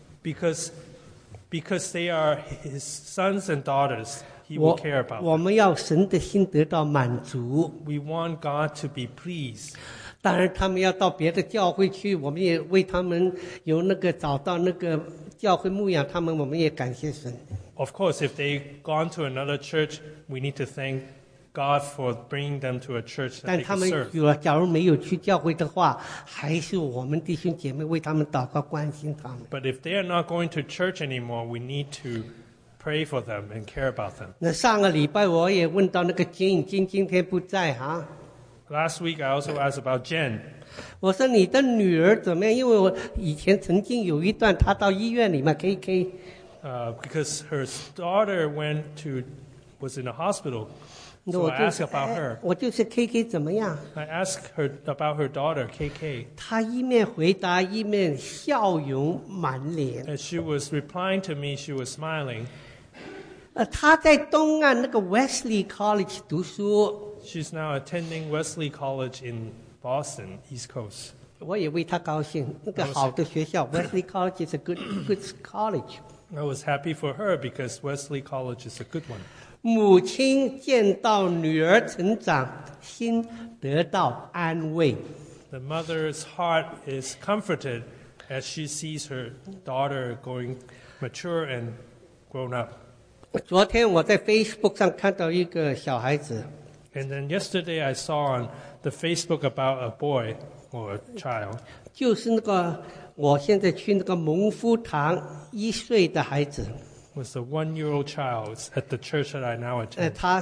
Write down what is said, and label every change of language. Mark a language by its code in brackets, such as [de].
[en] Because they are his sons and daughters, he will care about them. [zh] 我们要神的心得到满足。 [en] We want God to be pleased. [zh] 当然他们要到别的教会去, 我们也为他们有那个找到那个教会牧养他们, 我们也感谢神。 [en] Of course, if they've gone to another church, we need to thank God for bringing them to a church that they can serve. [zh] 但他们假如没有去教会的话, 还是我们弟兄姐妹为他们祷告关心他们。 [en] But if they are not going to church anymore, we need to pray for them and care about them. [zh] 那上个礼拜我也问到那个金金今天不在, huh? [en] Last week, I also asked about Jen. [zh] 我说你的女儿怎么样? 因为我以前曾经有一段她到医院里面, KK. [en] Because her daughter was in a hospital. So [zh] 我就是, [en] I asked about her. [zh] 我就是KK怎么样? [en] I asked her about her daughter, KK. [zh] 她一面回答,一面笑容满脸。 [en] And she was replying to me, she was smiling. [zh] 她在东岸那个Wesley College读书。 [en] She's now attending Wesley College in Boston, East Coast. [zh] 我也为她高兴, 那个好的学校, [en] Wesley College is a good college. I was happy for her because Wesley College is a good one. [zh] 母亲见到女儿成长, 心得到安慰。 [en] The mother's heart is comforted as she sees her daughter going mature and grown up. [zh] 昨天我在Facebook上看到一个小孩子。 [en] And then yesterday I saw on the Facebook about a boy or a child. [zh] 就是那个我现在去那个蒙夫堂一岁的孩子。 [en] Was the one-year-old child at the church that I now attend.